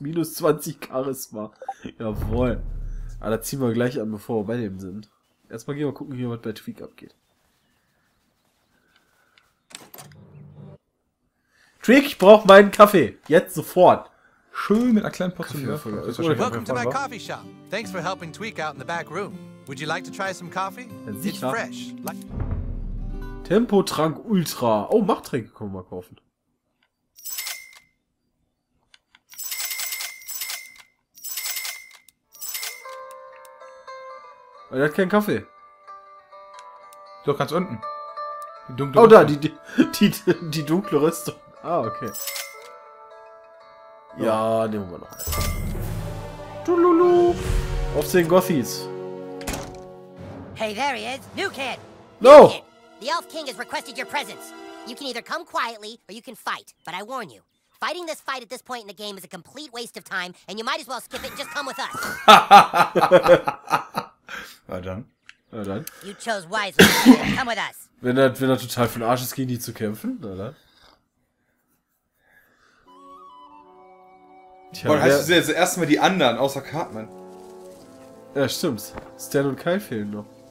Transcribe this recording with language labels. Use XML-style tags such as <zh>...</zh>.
<de>Minus 20 Charisma. Jawohl. Ah, da ziehen wir gleich an, bevor wir bei dem sind. Erstmal gehen wir gucken, hier, was bei Tweak abgeht. Tweak, ich brauch meinen Kaffee. Jetzt sofort. Schön mit einer kleinen Portion.</de> <en>Welcome to my coffee shop. Thanks for helping Tweak out in the back room. Would you like to try some coffee? It's fresh. Tempotrank Ultra.</en> <de>Oh, Machttränke können wir mal kaufen. Er hat keinen Kaffee. Doch, ganz unten. Die dunkle Rüstung. Oh, da, die dunkle Rüstung. Ah, okay. Ja, nehmen wir noch einen. Tululu! Auf den Gothis!</de> <en>Hey, there he is! New Kid! No! New Kid. The Elf King has requested your presence. You can either come quietly, or you can fight. But I warn you, fighting this fight at this point in the game is a complete waste of time, and you might as well skip it and just come with us.</en> <de>Na dann.</de> <en>You chose wisely. Come with us.</en> <de>Wenn er total für den Arsch ist, gegen die zu kämpfen, oder? Tja, boah, heißt das jetzt erstmal die anderen, außer Cartman? Ja, stimmt. Stan und Kai fehlen noch.</de>